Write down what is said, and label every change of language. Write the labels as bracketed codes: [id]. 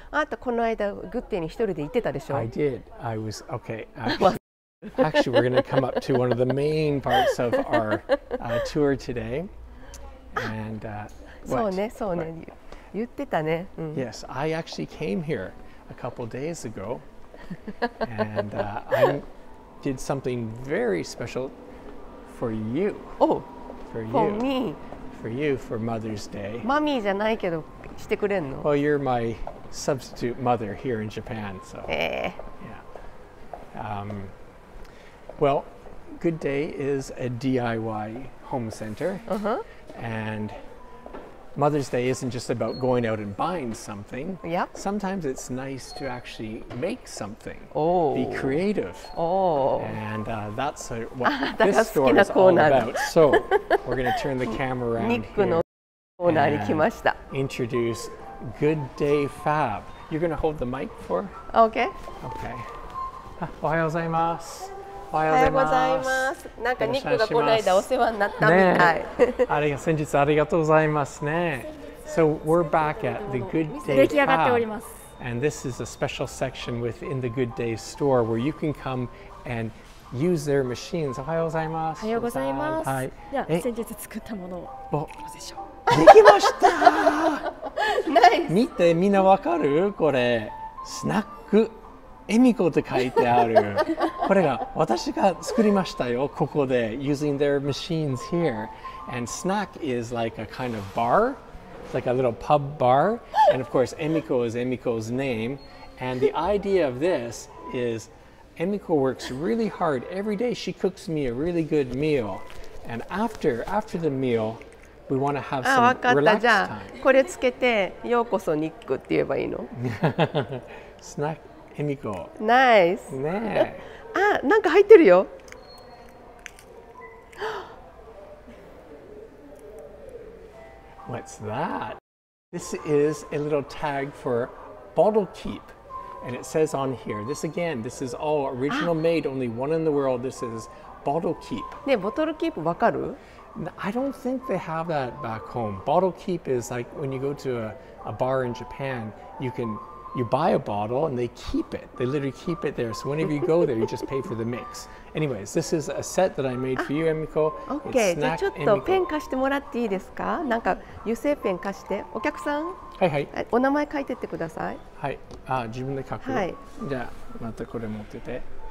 [ja] あなたこの間、グッデイに一人で行ってたでしょ? [en] I did. I was... Okay. Actually, we're going to come up to one of the main parts of our tour today. And, [ja] そうね、そうね。言ってたね。 [en] Yes, I actually came here a couple days ago. And I did something very special for you. Oh, for you. For me. For you for Mother's Day. [ja] マミーじゃないけどしてくれんの? [en] Well, you're my substitute mother here in Japan, so. Yeah. Well, Good Day is a DIY home center. And Mother's Day isn't just about going out and buying something. Yep. Sometimes it's nice to actually make something. Oh. Be creative. Oh. And that's what this store is all about. So, we're going to turn the camera around here and introduce Good Day Fab. You're going to hold the mic for? Okay. [ja] Okay. おはようございます。おはようございます。なんかニックがこの間お世話になったみたい。あれが先日ありがとうございますね。 [en] So we're back at the Good Day Fab. [ja] 出来上がっております。 [en] And this is a special section within the Good Day store where you can come and use their machines. [ja] おはようございます。おはようございます。はい。では先日作ったものをどうでしょう。できました。ナイス。見てみんなわかる？これスナック。エミコと書いてある。これが私が作りましたよ。ここで [en] using their machines here. And snack is like a kind of bar, like a little pub bar. And of course, Emiko is Emiko's name. And the idea of this is, Emiko works really hard every day. She cooks me a really good meal. And after the meal, we want to have some relaxed time. [ja] じゃあこれつけてようこそニックって言えばいいの？スナックエミコ。ナイス。ねえ。あ、なんか入ってるよ。 [en] What's that? This is a little tag for bottle keep. And it says on here, this again, this is all original made, only one in the world. This is bottle keep. [ja] ねえ、ボトルキープわかる? [en] I don't think they have that back home. Bottle keep is like when you go to a bar in Japan, you can... You buy a bottle and they keep it. They literally keep it there. So whenever you go there, you just pay for the mix. Anyways, this is a set that I made for you, Emiko. [ja] Okay, じゃあちょっとペン貸してもらっていいですか?なんか油性ペン貸して。お客さん。はいはい。お名前書いてってください。はい。あ、自分で書く。はい。じゃあ、またこれ持ってて。